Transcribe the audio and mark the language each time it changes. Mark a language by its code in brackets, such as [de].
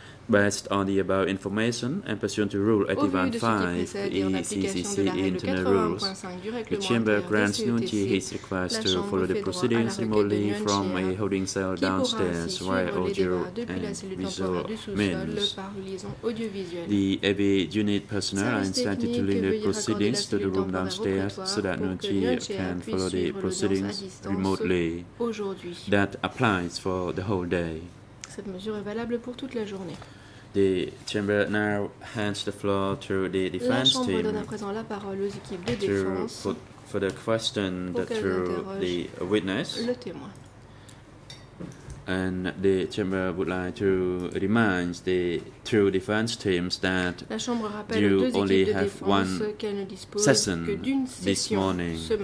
[en] Based on the above information and pursuant to Rule 81.5 ECCC Internal Rules, the chamber grants Nun Chi his request to follow the proceedings remotely from a holding cell downstairs via audio and visual means. The AV unit personnel are instructed to link the proceedings to the room downstairs so that Nun Chi can follow the proceedings remotely. That applies for the whole day. [fr] Cette mesure est valable pour toute la journée. [en] The chamber now hands the floor to the defense team to put further questions to the witness. [fr] Le témoin. [en] And the chamber would like to remind the two defense teams that you only have one session this morning.